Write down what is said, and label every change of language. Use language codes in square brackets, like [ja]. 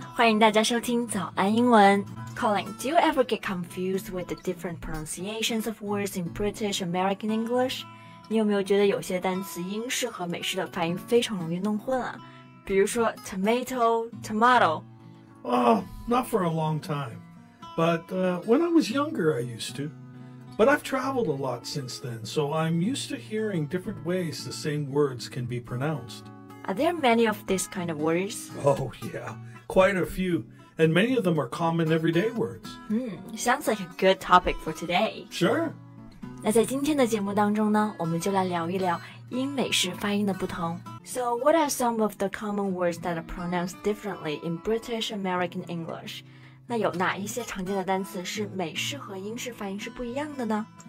[zh] 欢迎大家收听早安英文。 [en] Colin, do you ever get confused with the different pronunciations of words in British American English? [zh] 你有没有觉得有些单词英式和美式的发音非常容易弄混啊？比如说 tomato, tomato. [en] Oh, not for a long time. But when I was younger, I used to. But I've traveled a lot since then, so I'm used to hearing different ways the same words can be pronounced. Are there many of these kind of words? Oh, yeah, quite a few. And many of them are common everyday words. Sounds like a good topic for today. Sure. [zh] 那在今天的节目当中呢，我们就来聊一聊英美式发音的不同。 [en] So what are some of the common words that are pronounced differently in British American English? [zh] 那有哪一些常见的单词是美式和英式发音是不一样的呢